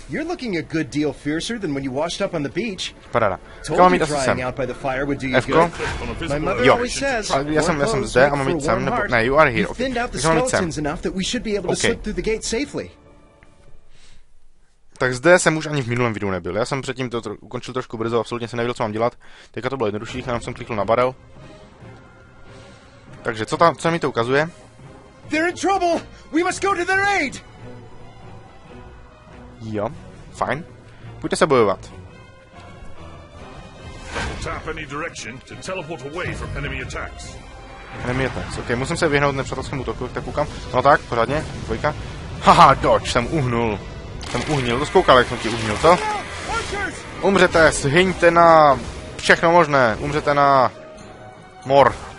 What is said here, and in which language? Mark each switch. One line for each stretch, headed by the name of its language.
English: You're looking a good deal fiercer than when you washed up on the beach.
Czech: Parada.
English: Told you trying out by the fire would do you F-ko. Good. My mother always says,
Czech: Já jsem zde a mám jít sem. Ne,
English: you are here. Thinned out the skeletons enough that we should be able to slip through the gate safely.
Czech: Tak zde jsem už ani v minulém videu nebyl. Já jsem předtím to ukončil trošku brzo, absolutně jsem nevěděl, co mám dělat. Teďka to bylo jednodušší, jenom jsem klikl na barel. Takže co tam, co mi to ukazuje?
English: They're in trouble. We must go to their aid.
Czech: Jo, fajn. Pojďte se bojovat.
English: Tap any direction to teleport away from enemy attacks. Enemy attacks.
Czech: Okay, musím se vyhnout nepřátelskému útoku, tak koukám. No tak, pořádně, dvojka. Haha, dodge, jsem uhnul. Jsem uhnil, to zkoukal, jak jsem ti uhnil, co? Umřete, zhyňte na všechno možné, umřete na mor.